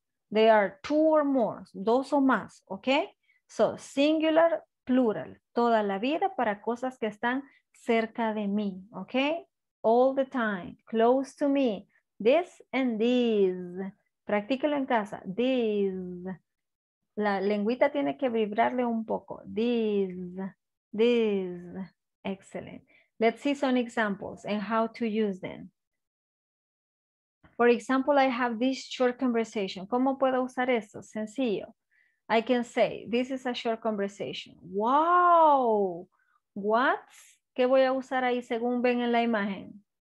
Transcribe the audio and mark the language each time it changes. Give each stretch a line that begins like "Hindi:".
English: They are two or more,
Spanish: dos o más, ¿ok? So, singular, plural, toda la vida para cosas que están cerca de mí, ¿ok?
English: All the time, close to me, this and these.
Spanish: Practíquelo en casa, these. La lengüita tiene que vibrarle un poco, these, these. Excellent.
English: Let's see some examples and how to use them. For example, I have this short conversation.
Spanish: ¿Cómo puedo usar esto? Sencillo.
English: I can say, this is a short conversation. Wow. What?
Spanish: ¿Qué voy a usar ahí según ven en la imagen?